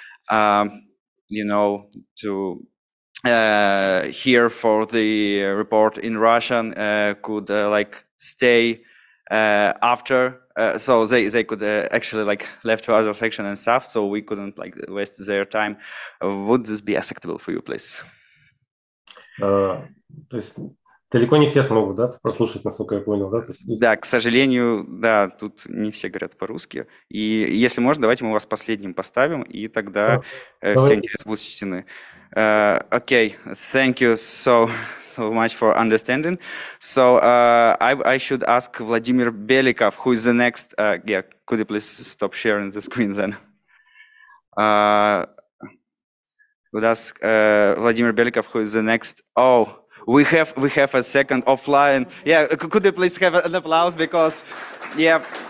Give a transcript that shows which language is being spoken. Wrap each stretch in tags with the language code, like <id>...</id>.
<en>you know, to hear for the report in Russian could like stay after, so they could actually like left to other section and stuff, so we couldn't like waste their time. Would this be acceptable for you, please?</en> <ru>То есть далеко не все смогут, да, прослушать, насколько я понял, да? Да, к сожалению, да, тут не все говорят по-русски. И если можно, давайте мы вас последним поставим, и тогда все интересы будут учтены.</ru> <en>Okay, thank you so much for understanding. So I should ask Vladimir Belikov, who is the next. Yeah, could you please stop sharing the screen then? Would ask Vladimir Belikov, who is the next. Oh, we have a second offline. Yeah, could you please have an applause, because yeah.</en>